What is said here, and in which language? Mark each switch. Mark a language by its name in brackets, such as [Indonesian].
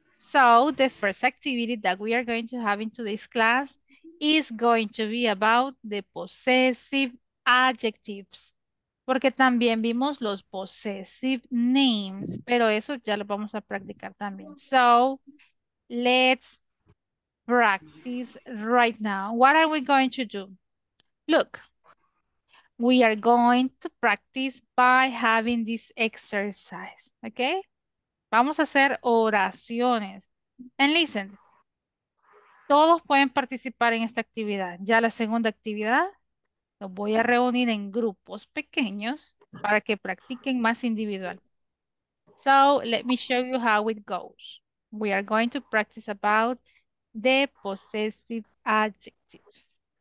[English] So the first activity that we are going to have in today's class is going to be about the possessive adjectives. [Spanish] Porque también vimos los possessive names, pero eso ya lo vamos a practicar también. [English] So, let's practice right now. What are we going to do? Look, we are going to practice by having this exercise, okay? [Spanish] Vamos a hacer oraciones. [English] And listen, [Spanish] todos pueden participar en esta actividad. Ya la segunda actividad, los voy a reunir en grupos pequeños para que practiquen más individual. [English] So, let me show you how it goes. We are going to practice about the possessive adjectives.